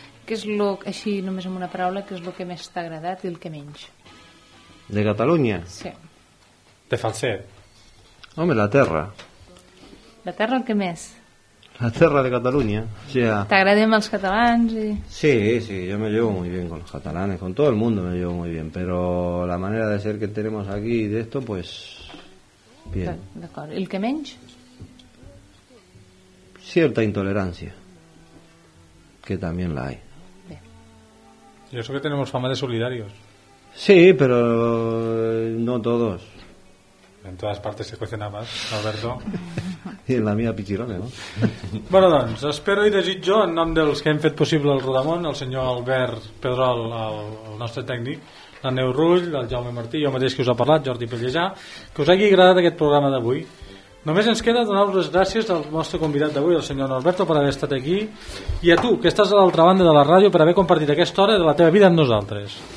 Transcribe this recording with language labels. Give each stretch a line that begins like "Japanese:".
Catalan: Què és el que, així només amb una paraula, que és el que més t'ha agradat i el que menys? De Catalunya? Sí. De Falset? Home, la terra. La terra el que més? La terra de Catalunya.
Spanish: O sea,
Catalan: t'agradem els catalans i...
Spanish: Sí, jo me llevo muy bien con los catalanes, con todo el mundo me llevo muy bien, pero la manera de ser que tenemos aquí y de esto, pues... Bien.
Catalan: D'acord. I el que menys?
Spanish: Cierta intolerància, que también la hay.
Catalan: Bé.
Spanish: Y eso que tenemos fama de solidarios. Sí, pero no todos. En todas partes se cuestiona más, Alberto.
Catalan: I en la meva pitxirona, no? Bueno, doncs, espero i desitjo en nom dels que hem fet possible el Rodamón, el senyor Albert Pedrol, el nostre tècnic, la Neu Rull, el Jaume Martí, jo mateix que us ha parlat, Jordi Pellejà, que us hagi agradat aquest programa d'avui. Només ens queda donar-vos les gràcies al nostre convidat d'avui, el senyor Norberto, per haver estat aquí, i a tu, que estàs a l'altra banda de la ràdio, per haver compartit aquesta hora de la teva vida amb nosaltres.